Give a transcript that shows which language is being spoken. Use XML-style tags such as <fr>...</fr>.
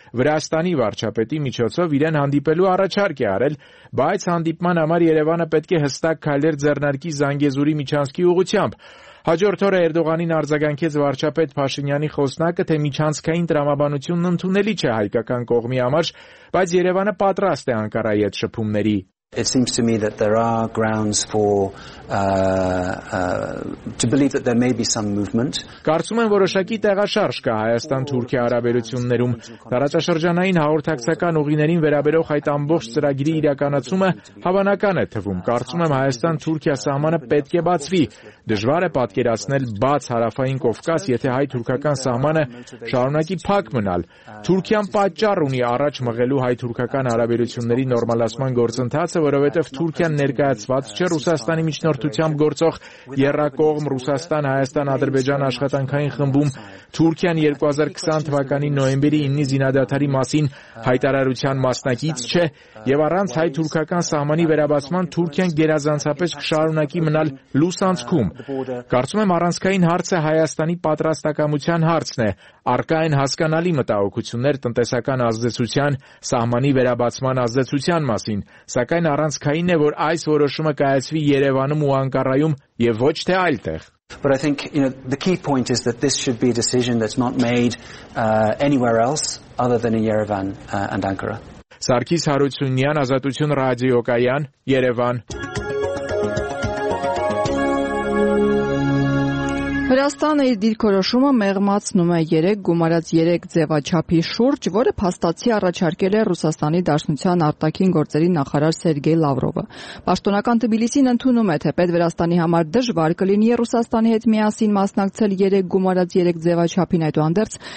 <hy>Վրաստանի վարչապետի միջոցով իրեն հանդիպելու առաջարկ է արել, բայց հանդիպման համար Երևանը պետք է հստակ քայլեր ձեռնարկի Զանգեզուրի միջանցքի ուղությամբ։ Հաջորդ օրը Էրդողանին արձագանքեց վարչապետ Փաշինյանի խոսնակը, թե միջանցքային տրամաբանությունն ընդունելի չէ հայկական կողմի համար, բայց Երևանը պատրաստ է Անկարայի հետ շփումների։</hy> <en>It seems to me that there are grounds for to believe that there may be some movement.</en> <hy>Կարծում եմ որոշակի տեղաշարժ կա Հայաստան-Թուրքիա հարաբերություններում։ Տարածաշրջանային հաղորդակցական ուղիներին վերաբերող այդ ամբողջ ծրագրի իրականացումը հավանական է թվում։ Կարծում եմ Հայաստան-Թուրքիա սահմանը պետք է բացվի։ Դժվար է պատկերացնել բաց հարավային Կովկաս, եթե հայ-թուրքական սահմանը շարունակի փակ մնալ։ Թուրքիան պատճառ ունի առաջ մղելու հայ-թուրքական հարաբերությունների նորմալացման գործընթացը, որովհետև Թուրքիան ներկայացված չէ Ռուսաստանի միջնորդությամբ գործող երրակողմ Ռուսաստան-Հայաստան-Ադրբեջան աշխատանքային խմբում Թուրքիան 2020 թվականի նոյեմբերի 9-ի զինադադարի մասին հայտարարության մասնակից չէ եւ առանց հայ-թուրքական սահմանի վերաբացման Թուրքիան գերազանցապես կշարունակի մնալ լուսանցքում։ Կարծում եմ առանցքային հարցը Հայաստանի պատրաստակամության հարցն է։ Առկա են հասկանալի մտահոգություններ տնտեսական ազդեցության, սահմանի վերաբացման ազդեցության մասին, սակայն առանցքային է, որ այս որոշումը կայացվի Երևանում ու Անկարայում եւ ոչ թե այլտեղ։</hy> <en>But I think, you know, the key point is that this should be a decision that's not made anywhere else other than in Yerevan and Ankara.</en> <hy>Սարգիս Հարությունյան, Ազատություն ռադիոկայան, Երևան։ Հրաստանը իր դիրքորոշումը մեղմացնում է 3 գումարած 3 ձևաչափի շուրջ, որը փաստացի առաջարկել է Ռուսաստանի Դաշնության արտաքին գործերի նախարար Սերգեյ Լավրովը։ Պաշտոնական Թբիլիսին ընդունում է, թե պետ Վրաստանի համար դժվար կլինի Ռուսաստանի հետ միասին մասնակցել 3 գումարած 3 ձևաչափին, այդուհանդերձ</hy>